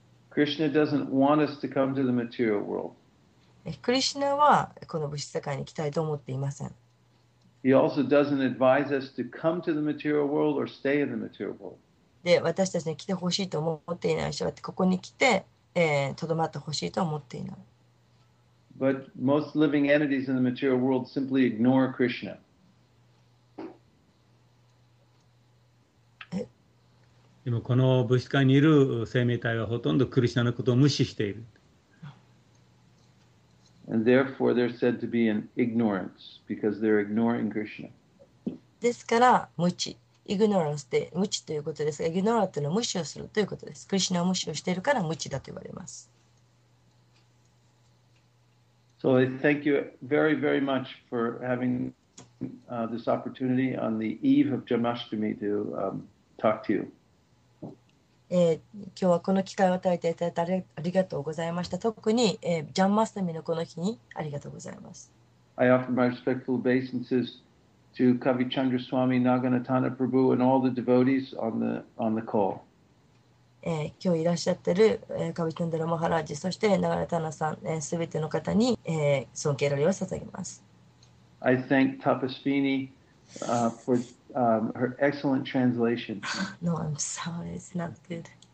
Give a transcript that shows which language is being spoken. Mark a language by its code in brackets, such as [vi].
[en] Krishna doesn't want us to come to the material world. [ja] クリシュナはこの物質世界に来たいと思っていません。 [en] He also doesn't advise us to come to the material world or stay in the material world. [ja] で、私たちに来てほしいと思っていない人はここに来て、留まってほしいと思っていない。 [en] But most living entities in the material world simply ignore Krishna. [ja] でもこの物質界にいる生命体はほとんどクリシュナのことを無視している。 [en] And therefore they're said to be in ignorance because they're ignoring Krishna. [ja] ですから無知、ignorance で無知ということですが、ignorance というのは無視をするということです。クリシュナを無視をしているから無知だと言われます。 [en] So I thank you very, very much for having this opportunity on the eve of Jamashtami to talk to you. [ja] 今日はこの機会を与えていただいてありがとうございました。特に、ジャンマスタミのこの日にありがとうございます。 [en] I offer my respectful obeisances to Kavi Chandra Swami, Naganatana Prabhu and all the devotees on the call. [ja] 今日いらっしゃってる、カビチャンドラマハラジ、そしてナガナタナさん、すべての方に、尊敬の礼を捧げます。 [en] I thank Tapasvini, for, her excellent translation. No, I'm sorry, it's not good.